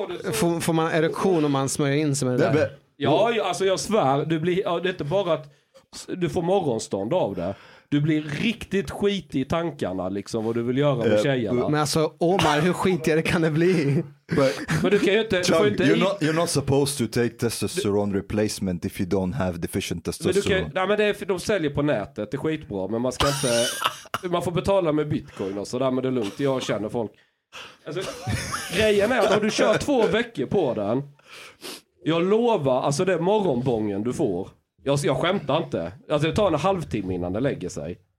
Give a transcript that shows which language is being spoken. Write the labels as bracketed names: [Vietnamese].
[Swedish] Men får man erektion om man smörjer in sig med det där? Ja, alltså jag svär, du blir, det är inte bara att du får morgonstånd av det. Du blir riktigt skitig i tankarna liksom, vad du vill göra med tjejerna. Men alltså, Omar, hur skitigare kan det bli? Men du kan ju inte... Chung, inte [English] you're not supposed to take testosterone replacement if you don't have deficient testosterone. [Swedish] De säljer på nätet, det är skitbra, men man ska inte... Man får betala med bitcoin och sådär, men det är lugnt. Jag känner folk. Alltså, grejen är att om du kör 2 veckor på den, jag lovar, alltså det är morgonbången du får. Jag skämtar inte. Alltså det tar en halvtimme innan det lägger sig.